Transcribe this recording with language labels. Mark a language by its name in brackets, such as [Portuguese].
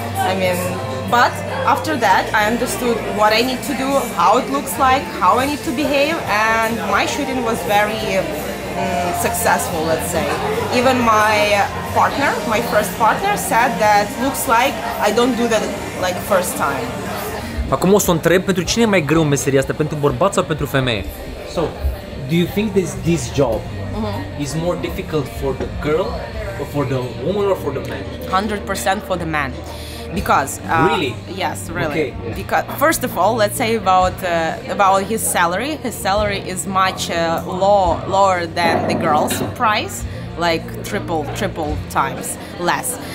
[English] I mean, but after that I understood what I need to do, how it looks like, how I need to behave, and my shooting was very successful, let's say. Even my partner, my first partner, said that looks like I don't do that like first time. [Romanian] Acum o să o întreb, pentru cine e mai greu meseria asta, pentru bărbat sau pentru femeie? [English] So, do you think this job is more difficult for the girl or for the woman or for the man? 100% for the man. Because really? Yes, really. Okay. Because first of all, let's say about his salary. His salary is much lower than the girl's price, like triple times less.